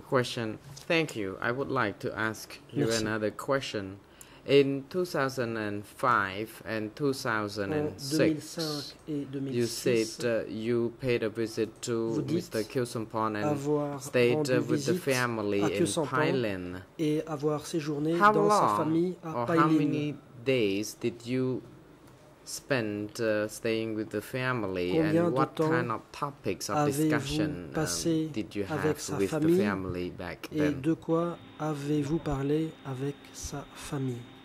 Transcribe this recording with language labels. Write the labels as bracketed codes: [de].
[en] Question. Thank you. I would like to ask you [fr] Merci. [en] Another question. In 2005 and 2006, you said you paid a visit to Mr. Kyusumpon and stayed with the family in Pailin. [fr] Et avoir séjourné dans sa famille à Pailin. [en] How many days did you spend staying with the family, [fr] combien [en] and what kind of topics of discussion did you have with the family back then? [fr] Et de quoi avez-vous parlé avec sa famille?